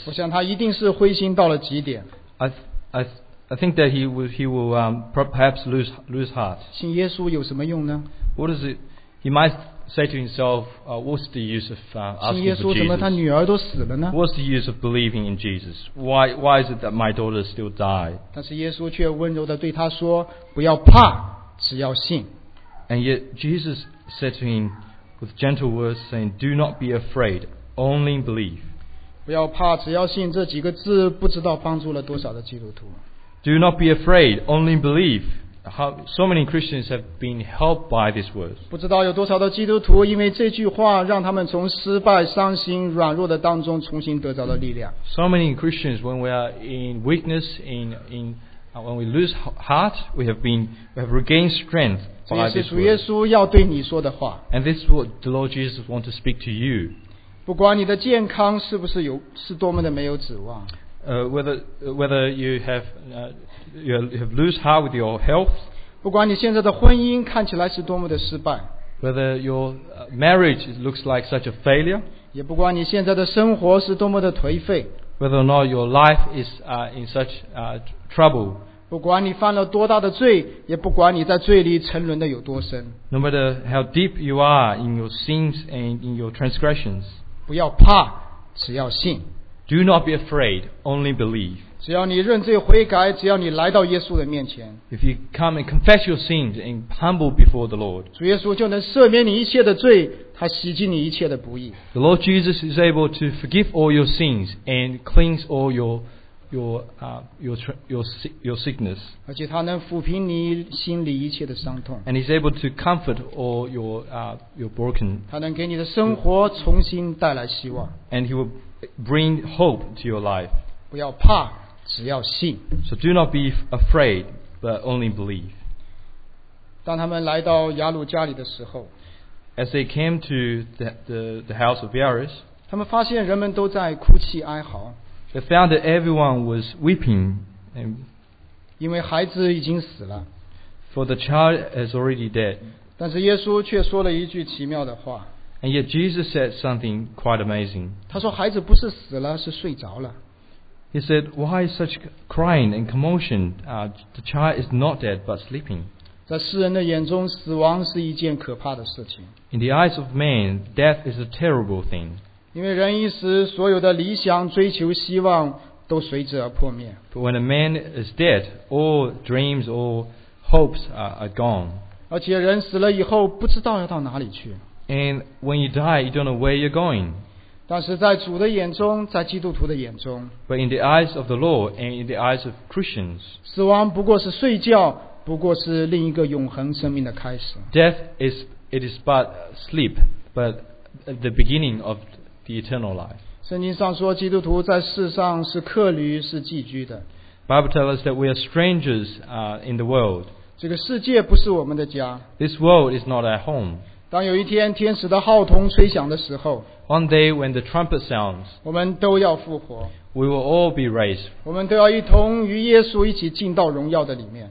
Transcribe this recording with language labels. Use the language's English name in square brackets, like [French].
[Chinese] 我想他一定是灰心到了极点。 [English] I think that he will perhaps lose heart. [Chinese] 信耶稣有什么用呢？ [English] What is it? He might say to himself, what's the use of asking for Jesus? [Chinese] 信耶稣怎么他女儿都死了呢？ [English] What's the use of believing in Jesus? Why is it that my daughter still died? [Chinese] 但是耶稣却温柔地对他说，不要怕，只要信。 [English] And yet Jesus said to him with gentle words saying, do not be afraid, only believe. [Chinese] 不要怕，只要信这几个字不知道帮助了多少的基督徒。 [English] Do not be afraid, only believe. So many Christians have been helped by this word. [Chinese] 不知道有多少的基督徒因为这句话让他们从失败、伤心、软弱的当中重新得到了力量。 [English] So many Christians, when we are in weakness, when we lose heart, we have regained strength by this word. [Chinese] 这也是主耶稣要对你说的话。 [English] And this is what the Lord Jesus wants to speak to you. [Chinese] 不管你的健康是不是有，是多么的没有指望。 [English] whether you have lose heart with your health, [Chinese] 不管你现在的婚姻看起来是多么的失败， [English] whether your marriage looks like such a failure, [Chinese] 也不管你现在的生活是多么的颓废， [English] whether or not your life is in such trouble. [Chinese] 不管你犯了多大的罪，也不管你在罪里沉沦的有多深。 [English] No matter how deep you are in your sins and in your transgressions, [Chinese] 不要怕，只要信。 [English] Do not be afraid, only believe. [Chinese] 只要你认罪悔改，只要你来到耶稣的面前。 [English] If you come and confess your sins and humble before the Lord, [Chinese] 主耶稣就能赦免你一切的罪，他洗净你一切的不义。 [English] The Lord Jesus is able to forgive all your sins and cleanse all your sickness. [Chinese] 而且他能抚平你心里一切的伤痛。 [English] And he's able to comfort all your broken. [Chinese] 他能给你的生活重新带来希望。 [English] And he will bring hope to your life. [Chinese] 不要怕，只要信。 [English] So do not be afraid, but only believe. [Chinese] 当他们来到雅鲁家里的时候， [English] as they came to the house of Jairus, [Chinese] 他们发现人们都在哭泣哀嚎。 [English] They found that everyone was weeping, and [Chinese] 因为孩子已经死了。 [English] For the child is already dead. [Chinese] 但是耶稣却说了一句奇妙的话。 [English] And yet Jesus said something quite amazing. [Chinese] 他说孩子不是死了，是睡着了。 [English] He said, "Why such crying and commotion? The child is not dead, but sleeping." [Chinese] 在世人的眼中，死亡是一件可怕的事情。 [English] In the eyes of man, death is a terrible thing. [Chinese] 因为人一死，所有的理想、追求、希望都随之而破灭。 [English] But when a man is dead, all dreams, all hopes are gone. [Chinese] 而且人死了以后，不知道要到哪里去。 [English] And when you die, you don't know where you're going. [Chinese] 但是在主的眼中，在基督徒的眼中。 [English] But in the eyes of the Lord and in the eyes of Christians. [Chinese] 死亡不过是睡觉，不过是另一个永恒生命的开始。 [English] Death is it is but sleep, but the beginning of the eternal life. [Chinese] 圣经上说基督徒在世上是客旅是寄居的。 [English] Bible tells us that we are strangers in the world. [Chinese] 这个世界不是我们的家。 [English] This world is not our home. [Chinese] 当有一天天使的号筒吹响的时候， [English] One day when the trumpet sounds, [Chinese] 我们都要复活。 [English] We will all be raised. [Chinese] 我们都要一同与耶稣一起进到荣耀的里面。